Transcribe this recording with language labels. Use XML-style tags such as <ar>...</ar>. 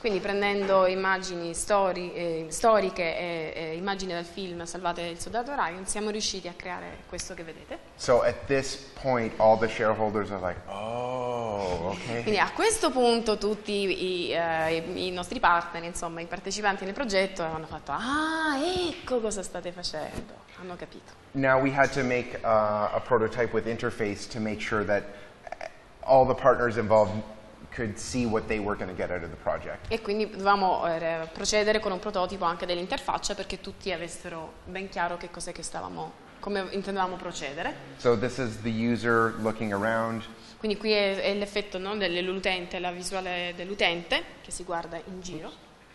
<it>Quindi prendendo immagini storiche e immagini dal film Salvate il soldato Ryan, siamo riusciti a creare questo che vedete.</it> <en>So at this point, all the shareholders are like, oh, okay.</en> <it>Quindi a questo punto tutti i nostri partner, insomma, i partecipanti nel progetto, hanno fatto, ah, ecco cosa state facendo. Hanno capito.</it> <en>Now we had to make a prototype with interface to make sure that all the partners involved could see what they were going to get out of the project.</en> <it>E quindi dovevamo procedere con un prototipo anche dell'interfaccia perché tutti avessero ben chiaro che cos'è che stavamo come intendevamo procedere.</it> <en>So this is the user looking around.</en> <it>Quindi qui è l'effetto, no, dell'utente, la visuale dell'utente che si guarda in giro.</it>